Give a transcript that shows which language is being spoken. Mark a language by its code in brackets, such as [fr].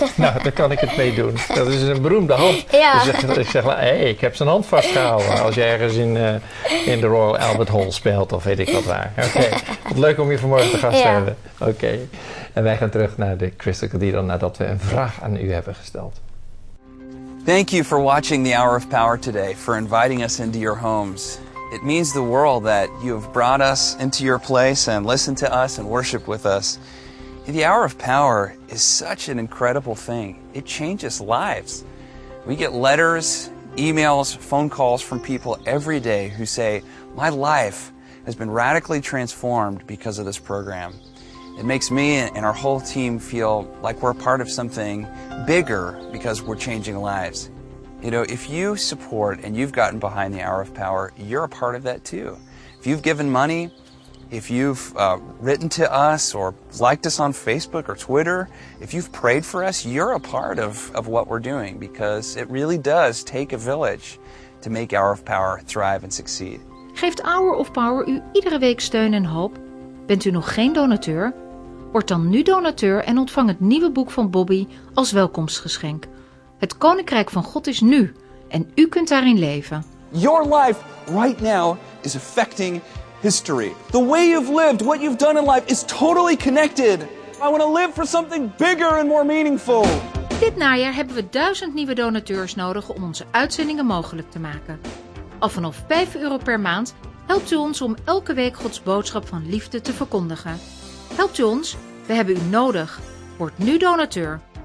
[nl] Nou, daar kan ik het mee doen. Dat is een beroemde hand. Ja. Ik zeg, ik heb zijn hand vastgehouden als je ergens in de Royal Albert Hall speelt of weet ik wat waar. Oké. Leuk om je vanmorgen te gast te hebben. Oké. En wij gaan terug naar de Crystal Cathedral nadat we een vraag aan u hebben gesteld. [en] Thank you for watching the Hour of Power today, for inviting us into your homes. It means the world that you have brought us into your place and listened to us and worshiped with us. The Hour of Power is such an incredible thing. It changes lives. We get letters, emails, phone calls from people every day who say, my life has been radically transformed because of this program. It makes me and our whole team feel like we're part of something bigger because we're changing lives. You know, if you support and you've gotten behind the Hour of Power, you're a part of that too. If you've given money, if you've written to us or liked us on Facebook or Twitter, if you've prayed for us, you're a part of what we're doing because it really does take a village to make Hour of Power thrive and succeed. [nl] Geeft Hour of Power u iedere week steun en hoop? Bent u nog geen donateur? Word dan nu donateur en ontvang het nieuwe boek van Bobby als welkomstgeschenk. Het Koninkrijk van God is nu en u kunt daarin leven. [en] Your life right now is affecting history. The way you've lived, what you've done in life is totally connected. I want to live for something bigger and more meaningful. [nl] Dit najaar hebben we 1000 nieuwe donateurs nodig om onze uitzendingen mogelijk te maken. Al vanaf €5 per maand helpt u ons om elke week Gods boodschap van liefde te verkondigen. Helpt u ons? We hebben u nodig. Word nu donateur.